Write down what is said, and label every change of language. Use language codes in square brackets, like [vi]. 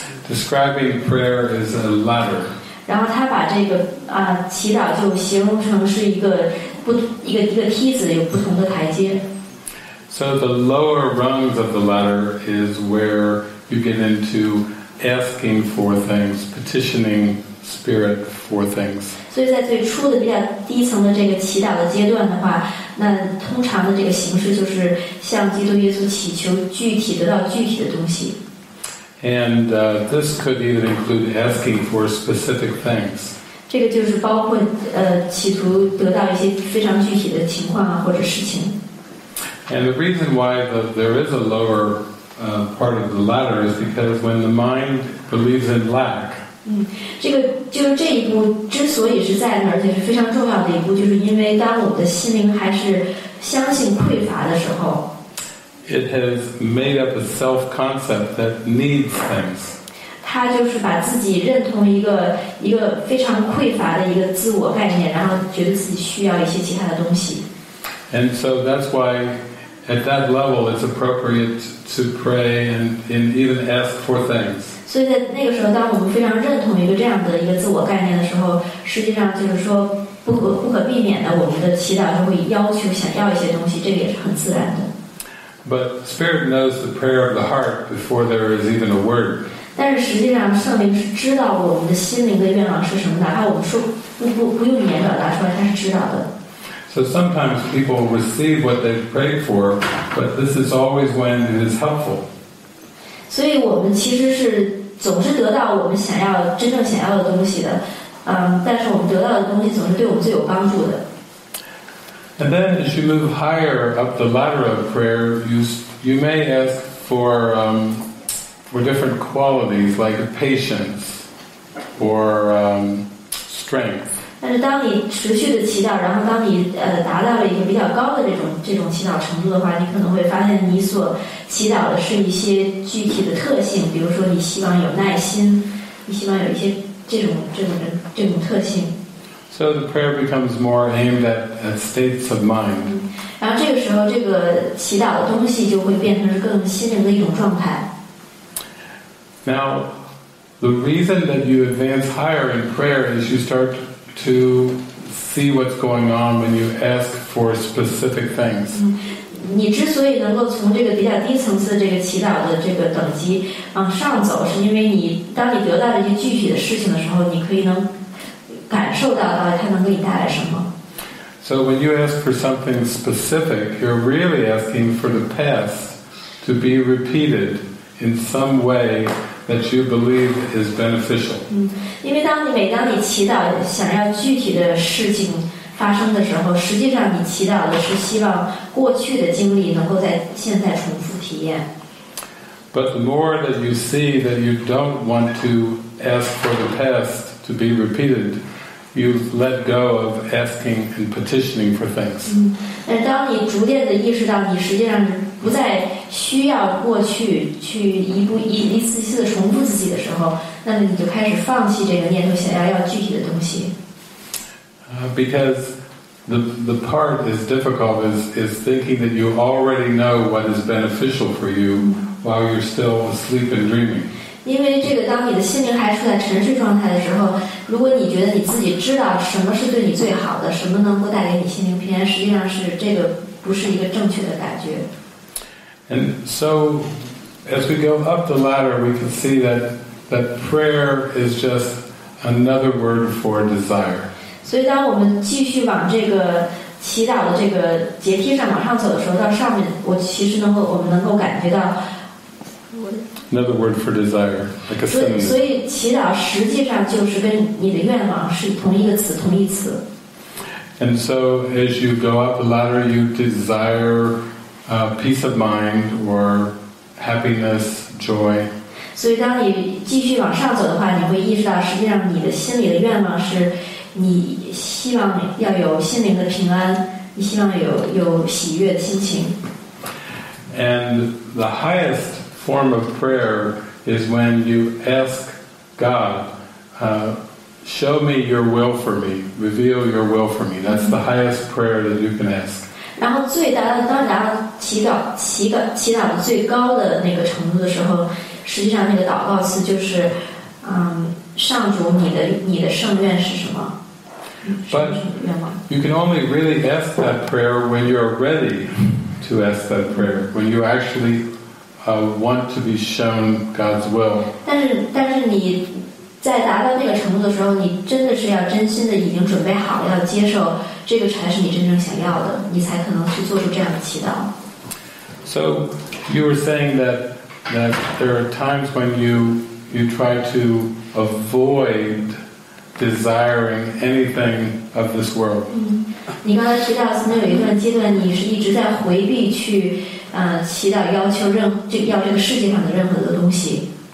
[en] Describing prayer as a ladder. [zh] 然后他把这个祈祷就形容成是一个梯子，有不同的台阶。 [en] So the lower rungs of the ladder is where you get into asking for things, petitioning spirit for things. [zh] 所以在最初的比较低层的这个祈祷的阶段的话，那通常的这个形式就是向基督耶稣祈求具体得到具体的东西。 [en] And this could even include asking for specific things. [zh] 这个就是包括企图得到一些非常具体的情况啊或者事情。 [en] And the reason why there is a lower part of the ladder is because when the mind believes in lack. [zh] 这个就是这一步之所以是在那儿，而且是非常重要的一步，就是因为当我们的心灵还是相信匮乏的时候。 [en] It has made up a self-concept that needs things. [zh] 他就是把自己认同一个非常匮乏的一个自我概念，然后觉得自己需要一些其他的东西。 [en] And so that's why, at that level, it's appropriate to pray and even ask for things. [zh] 所以在那个时候，当我们非常认同一个这样的一个自我概念的时候，实际上就是说不可避免的，我们的祈祷就会要求想要一些东西，这个也是很自然的。 [en] But Spirit knows the prayer of the heart before there is even a word. [zh] 但是实际上，圣灵是知道我们的心灵的愿望是什么的，哪怕我们说不用语言表达出来，他是知道的。 [en] So sometimes people receive what they pray for, but this is always when it is helpful. [zh] 所以我们其实是总是得到我们想要真正想要的东西的，但是我们得到的东西总是对我们最有帮助的。 [en] And then as you move higher up the ladder of prayer, you may ask for different qualities like patience or strength. [zh] 但是当你持续的祈祷，然后当你达到了一个比较高的这种祈祷程度的话，你可能会发现你所祈祷的是一些具体的特性，比如说你希望有耐心，你希望有一些这种特性。 [en] So the prayer becomes more aimed at states of mind. [zh] 然后这个时候，这个祈祷的东西就会变成是更心灵的一种状态。 [en] Now, the reason that you advance higher in prayer is you start to see what's going on when you ask for specific things. [zh] 你之所以能够从这个比较低层次这个祈祷的这个等级往上走，是因为你当你得到了一些具体的事情的时候，你可以能。感受到它能给你带来什么。 [en] So when you ask for something specific, you're really asking for the past to be repeated in some way that you believe is beneficial. [zh] 因为每当你祈祷想要具体的事情发生的时候，实际上你祈祷的是希望过去的经历能够在现在重复体验。 [en] But the more that you see that you don't want to ask for the past to be repeated,You've let go of asking and petitioning for things. [zh] 当你逐渐地意识到你实际上不再需要过去去一步一次次地重复自己的时候，那么你就开始放弃这个念头，想要具体的东西。 [en] Because the part is difficult is thinking that you already know what is beneficial for you while you're still asleep and dreaming. [zh] 因为这个，当你的心灵还处在沉睡状态的时候，如果你觉得你自己知道什么是对你最好的，什么能够带给你心灵平安，实际上是这个不是一个正确的感觉。 [en] And so, as we go up the ladder, we can see that prayer is just another word for desire. [zh] 所以，当我们继续往这个祈祷的这个阶梯上往上走的时候，到上面，我其实能够，我们能够感觉到。 [en] Another word for desire, like a synonym. [zh] 所以祈祷实际上就是跟你的愿望是同一个词，同义词。 [en] And so as you go up the ladder, you desire peace of mind or happiness, joy. [zh] 所以当你继续往上走的话，你会意识到实际上你的心里的愿望是你希望要有心灵的平安，你希望有喜悦的心情。 [en] And the highest form of prayer is when you ask God, show me your will for me, reveal your will for me. That's the highest prayer that you can ask. [zh] 然后最大的当达到祈祷最高的那个程度的时候，实际上那个祷告词就是，上主，你的圣愿是什么？ [en] But you can only really ask that prayer when you're ready to ask that prayer, when you actually want to be shown God's will. [zh] 但是你在达到那个程度的时候，你真的是要真心的已经准备好要接受，这个才是你真正想要的，你才可能去做出这样的祈祷。 [en] So you were saying that there are times when you try to avoid desiring anything of this world. [zh] 你刚才提到曾经有一段阶段，你是一直在回避去祈祷，要求要这个世界上的任何的东西。